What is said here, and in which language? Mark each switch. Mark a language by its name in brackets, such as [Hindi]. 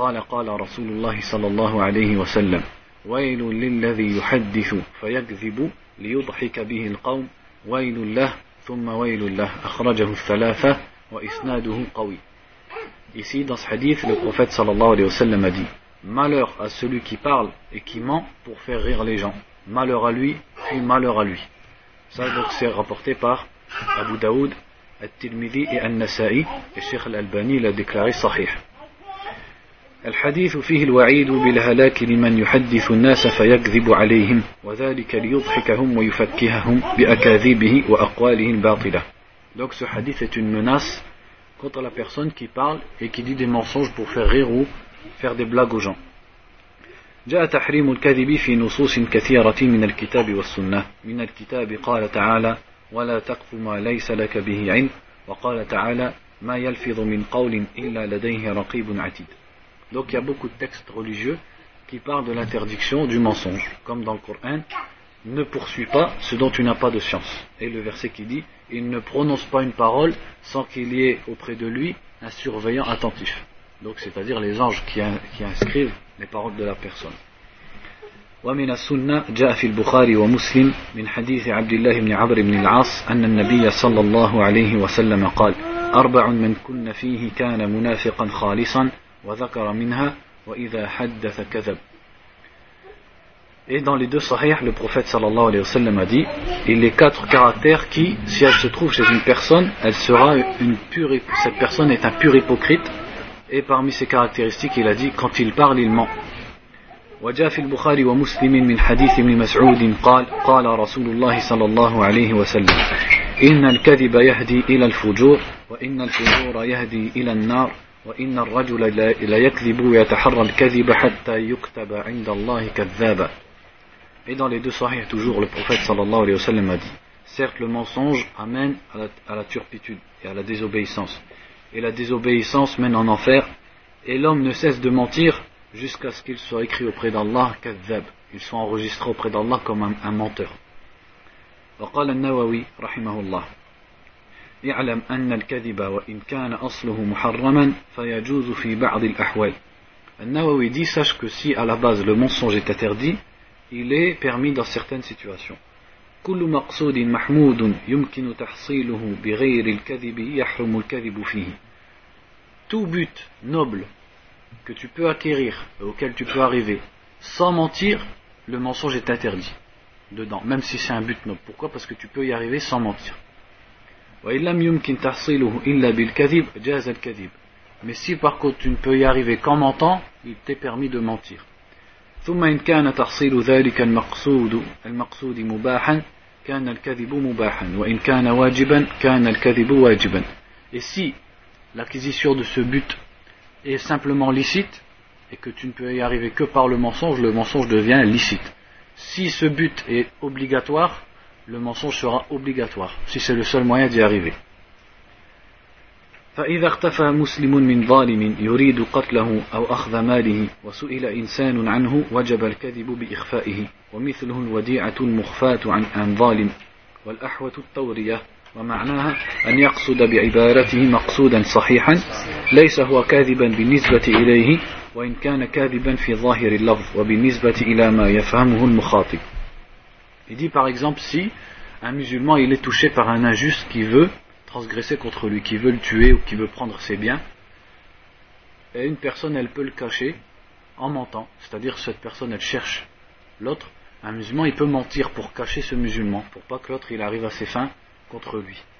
[Arabic] قال قال رسول الله صلى الله عليه وسلم ويل للذي يحدث فيكذب ليضحك به القوم ويل له ثم ويل له أخرجه الثلاثة وإسناده قوي. [French] Ici dans ce hadith, le prophète صلى الله عليه وسلم a dit: malheur à celui qui parle et qui ment pour faire rire les gens. Malheur à lui et malheur à lui. Ça donc c'est rapporté par Abu Daoud, At-Tirmidhi et An-Nasa'i, et Cheikh Al-Albani l'a déclaré sahih. [Arabic] الحديث فيه الوعيد بالهلاك لمن يحدث الناس فيكذب عليهم وذلك ليضحكهم ويفكههم بأكاذيبه وأقواله الباطلة. [French] Donc ce hadith est une menace contre la personne qui parle et qui dit des mensonges pour faire rire ou faire des blagues aux gens. [Arabic] جاء تحريم الكذب في نصوص كثيرة من الكتاب والسنة. من الكتاب قال تعالى ولا تقف ما ليس لك به علم وقال تعالى ما يلفظ من قول إلا لديه رقيب عتيد. [French] Donc il y a beaucoup de textes religieux qui parlent de l'interdiction du mensonge. Comme dans le Coran, ne poursuis pas ce dont tu n'as pas de science. Et le verset qui dit, il ne prononce pas une parole sans qu'il y ait auprès de lui un surveillant attentif. Donc c'est-à-dire les anges qui inscrivent les paroles de la personne. [Arabic] ومن السنة جاء في البخاري ومسلم من حديث عبد الله بن عمرو بن العاص أن النبي صلى الله عليه وسلم قال أربع من كن فيه كان منافقا خالصا وذكر منها وإذا حدث كذب. [French] Et dans les deux sahih, le prophète sallallahu alayhi wa sallam a dit, et les quatre caractères qui, si elles se trouvent chez une personne, elle sera une pure, cette personne est un pur hypocrite, et parmi ces caractéristiques, il a dit, quand il parle, il ment. [Arabic] وجاء في البخاري ومسلم من حديث ابن مسعود قال قال رسول الله صلى الله عليه وسلم إن الكذب يهدي إلى الفجور وإن الفجور يهدي إلى النار وإن الرجل لا يكذب ويتحرى الكذب حتى يكتب عند الله كذابا. [French] Et dans les deux sahih, toujours, le prophète sallallahu alayhi wa sallam a dit, certes le mensonge amène à la turpitude et à la désobéissance, et la désobéissance mène en enfer, et l'homme ne cesse de mentir jusqu'à ce qu'il soit écrit auprès d'Allah كذاب, il soit enregistré auprès d'Allah comme un menteur. [Arabic] وقال النووي رحمه الله اعلم أن الكذب وإن كان أصله محرما فيجوز في بعض الأحوال. [French] النووي dit, sache que si à la base le mensonge est interdit, il est permis dans certaines situations. [Arabic] كل مقصود محمود يمكن تحصيله بغير الكذب يحرم الكذب فيه. [French] Tout but noble que tu peux acquérir, auquel tu peux arriver sans mentir, le mensonge est interdit dedans, même si c'est un but noble. Pourquoi? Parce que tu peux y arriver sans mentir. [Arabic] وإن لم يمكن تحصيله إلا بالكذب جاز الكذب. [French] Mais si par contre tu ne peux y arriver qu'en mentant, il t'est permis de mentir. [Arabic] ثم إن كان تحصيل ذلك المقصود مباحا كان الكذب مباحا وإن كان واجبا كان الكذب واجبا. [French] Et si l'acquisition de ce but est simplement licite et que tu ne peux y arriver que par le mensonge devient licite. Si ce but est obligatoire, le mensonge sera obligatoire, si c'est le seul moyen d'y arriver. [Arabic] فإذا اختفى مسلم من ظالم يريد قتله أو أخذ ماله وسئل إنسان عنه وجب الكذب بإخفائه ومثله الوديعة المخفاة عن ظالم والأحوة التورية ومعناها أن يقصد بعبارته مقصودا صحيحا ليس هو كاذبا بالنسبة إليه وإن كان كاذبا في ظاهر اللفظ وبالنسبة إلى ما يفهمه المخاطب. [French] Il dit par exemple, si un musulman il est touché par un injuste qui veut transgresser contre lui, qui veut le tuer ou qui veut prendre ses biens, et une personne elle peut le cacher en mentant, c'est-à-dire cette personne elle cherche l'autre, un musulman il peut mentir pour cacher ce musulman, pour pas que l'autre il arrive à ses fins contre lui.